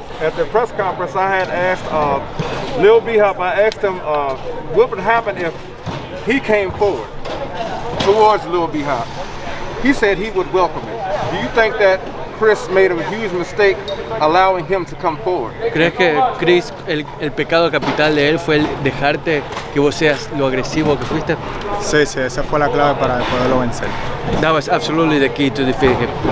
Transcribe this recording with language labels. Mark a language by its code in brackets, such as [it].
[en] At the press conference, I had asked Lil B-Hop, I asked him, what would happen if he came forward towards Lil B-Hop? He said he would welcome it. Do you think that Chris made a huge mistake allowing him to come forward? [es] ¿Crees que Chris, el pecado capital de él fue el dejarte que vos seas lo agresivo que fuiste? Sí, sí, esa fue la clave para poderlo vencer. [en] That was absolutely the key to defeat him.